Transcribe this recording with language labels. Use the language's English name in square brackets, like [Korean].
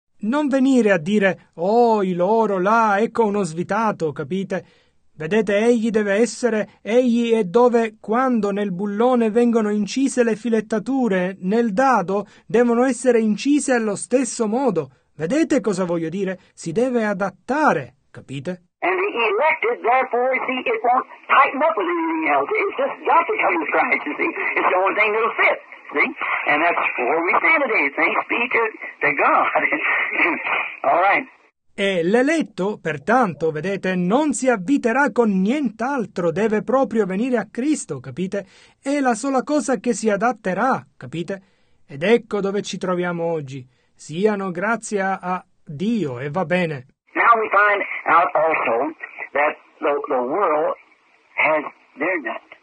[Italian] Non venire a dire, oh, i loro là, ecco uno svitato, capite? Vedete, egli deve essere, egli è dove, quando nel bullone vengono incise le filettature, nel dado devono essere incise allo stesso modo. Vedete cosa voglio dire? Si deve adattare, capite? [English] And the elected, therefore, see, it won't tighten up with anything else. It's just got to come to Christ, you see. It's the only thing that'll fit, see? And that's where we stand today. Thanks be to God. All right. [Italian] E l'eletto, pertanto, vedete, non si avviterà con nient'altro, deve proprio venire a Cristo, capite? È la sola cosa che si adatterà, capite? Ed ecco dove ci troviamo oggi. Siano grazie a Dio e va bene. [English] Now we find out also that the world has their nut.